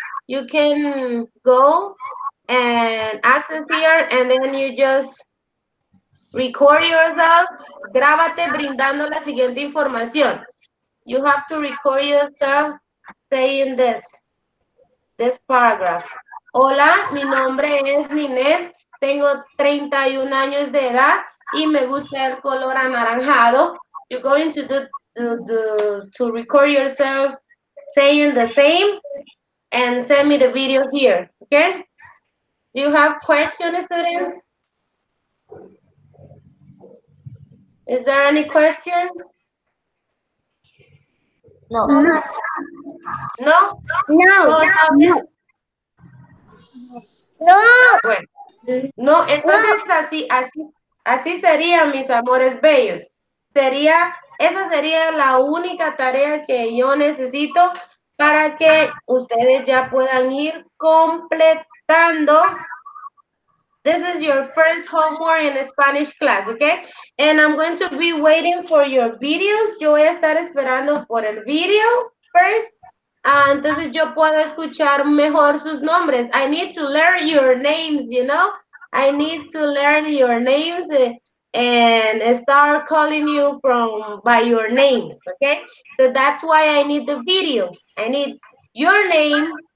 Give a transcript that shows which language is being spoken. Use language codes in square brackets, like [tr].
[en] You can go and access here and then you just record yourself. [es] Grábate brindando la siguiente información. [en] You have to record yourself saying this paragraph. [es] Hola, mi nombre es Ninet. Tengo 31 años de edad y me gusta el color anaranjado. [en] You're going to do record yourself saying the same and send me the video here, okay? Do you have questions, students? Is there any question? No. No? No. No. No. No. No. [es] Bueno. No, entonces así sería, mis amores bellos. Esa sería la única tarea que yo necesito para que ustedes ya puedan ir completando. [en] This is your first homework in Spanish class, okay? And I'm going to be waiting for your videos. [es] Yo voy a estar esperando por el video [en] first. [es] Entonces yo puedo escuchar mejor sus nombres. [en] I need to learn your names, you know? I need to learn your names and start calling you by your names, okay? So that's why I need the video. I need your name.